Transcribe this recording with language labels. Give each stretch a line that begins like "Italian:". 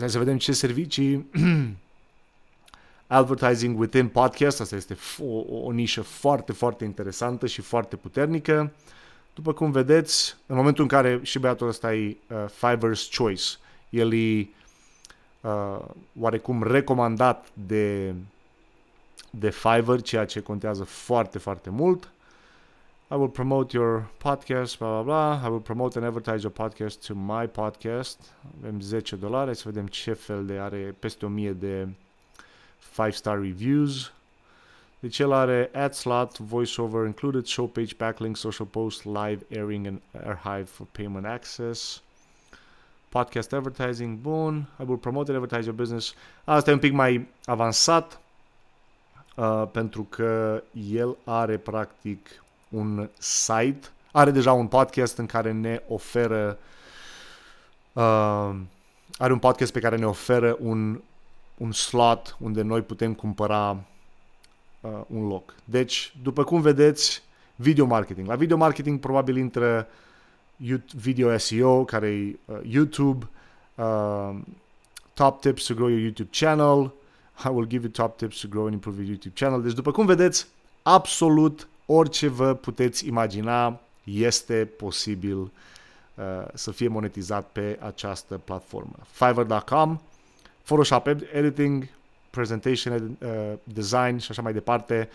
Romanian: Hai să vedem ce servicii...
English: Advertising within podcast,
Romanian: asta este o nișă foarte, foarte interesantă și foarte puternică. După cum vedeți, în momentul în care și băiatul ăsta e Fiverr's Choice, el e oarecum recomandat de Fiverr, ceea ce contează foarte, foarte mult.
English: I will promote your podcast, blah, blah, blah. I will promote and advertise your podcast to my podcast.
Romanian: Avem $10, hai să vedem ce fel de are, peste 1000 de 5-star reviews. Deci el are
English: ad slot, voiceover included, show page, backlink, social post, live airing and archive for payment access. Podcast advertising, bun. I will promote and advertise your business.
Romanian: Asta e un pic mai avansat pentru că el are practic un site. Are deja un podcast în care ne oferă are un podcast pe care ne oferă un slot unde noi putem cumpăra un loc. Deci, după cum vedeți, video marketing. La video marketing probabil intră video SEO, care e YouTube,
English: top tips to grow your YouTube channel. I will give you top tips to grow and improve your YouTube channel.
Romanian: Deci, după cum vedeți, absolut orice vă puteți imagina este posibil să fie monetizat pe această platformă. Fiverr.com,
English: Photoshop editing, presentation design
Romanian: și așa mai departe.